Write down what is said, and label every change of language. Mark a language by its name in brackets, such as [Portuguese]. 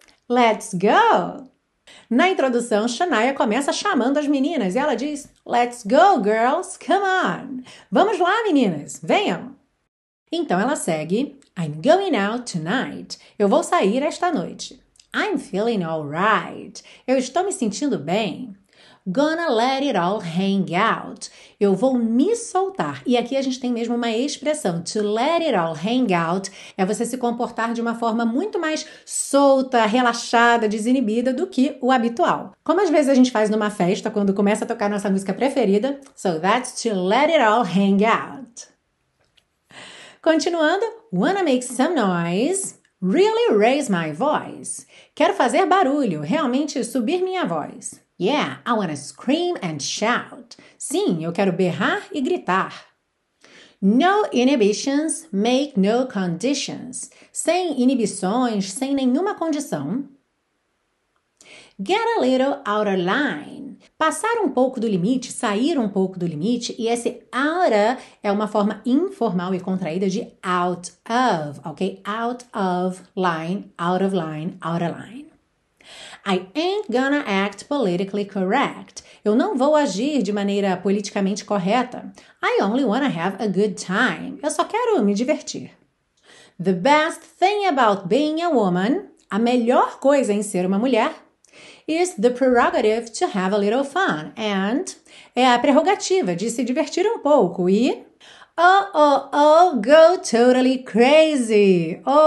[English] Let's go! [Portuguese] Na introdução, Shania começa chamando as meninas e ela diz: [English] Let's go, girls, come on! [Portuguese] Vamos lá, meninas, venham! Então ela segue: [English] I'm going out tonight. [Portuguese] Eu vou sair esta noite. [English] I'm feeling all right. [Portuguese] Eu estou me sentindo bem. [English] Gonna let it all hang out. [Portuguese] Eu vou me soltar. E aqui a gente tem mesmo uma expressão: [English] to let it all hang out [Portuguese] é você se comportar de uma forma muito mais solta, relaxada, desinibida do que o habitual. Como às vezes a gente faz numa festa quando começa a tocar nossa música preferida. [English] So that's to let it all hang out. Continuando, wanna make some noise? Really raise my voice. [Portuguese] Quero fazer barulho, realmente subir minha voz. [English] Yeah, I wanna scream and shout. [Portuguese] Sim, eu quero berrar e gritar. [English] No inhibitions, make no conditions. [Portuguese] Sem inibições, sem nenhuma condição. [English] Get a little out of line. [Portuguese] Passar um pouco do limite, sair um pouco do limite. E esse out é uma forma informal e contraída de out of, ok? [English] Out of line, out of line, out of line. I ain't gonna act politically correct. [Portuguese] Eu não vou agir de maneira politicamente correta. [English] I only wanna have a good time. [Portuguese] Eu só quero me divertir. [English] The best thing about being a woman, [Portuguese] a melhor coisa em ser uma mulher, [English] is the prerogative to have a little fun. And [Portuguese] é a prerrogativa de se divertir um pouco e [English] Oh, go totally crazy.